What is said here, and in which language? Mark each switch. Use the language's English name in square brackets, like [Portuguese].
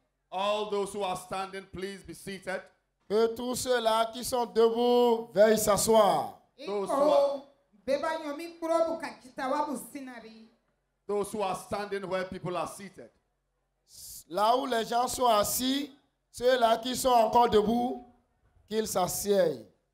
[English] All those who are standing, please be seated. [French] Que tous ceux-là qui sont debout veuillent s'asseoir. [English] Those who are standing where people are seated. [French] Là où les gens sont assis, ceux-là qui sont encore debout, qu'ils s'assiedent.